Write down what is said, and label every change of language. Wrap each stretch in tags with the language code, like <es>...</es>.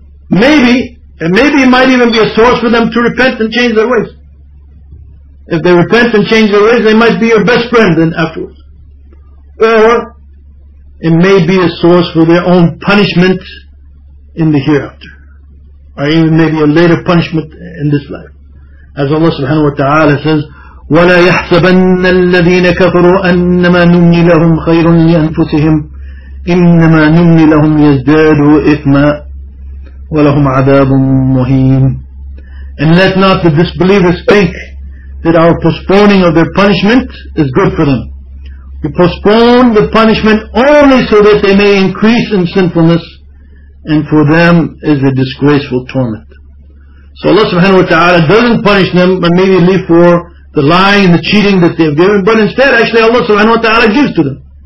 <en>Maybe, and maybe it might even be a source for them to repent and change their ways. If they repent and change their ways, they might be your best friend then afterwards. Or, it may be a source for their own punishment in the hereafter. Or even maybe a later punishment in this life. As Allah subhanahu wa ta'ala says,</en> <ar>وَلَا يَحْسَبَنَّ الَّذِينَ كَفَرُوا أَنَّمَا نُمْنِي لَهُمْ خَيْرٌ لِأَنفُسِهِمْ إِنَّمَا نُمْنِي لَهُمْ يَزْدَادُوا إِثْمًا وَلَهُمْ عَذَابٌ مُهِينٌ.</ar> <en>And let not the disbelievers think that our postponing of their punishment is good for them. We postpone the punishment only so that they may increase in sinfulness, and for them is a disgraceful torment. So Allah subhanahu wa ta'ala doesn't punish them but maybe leave for the lying and the cheating that they have given, but instead actually Allah subhanahu wa ta'ala gives to them.</en>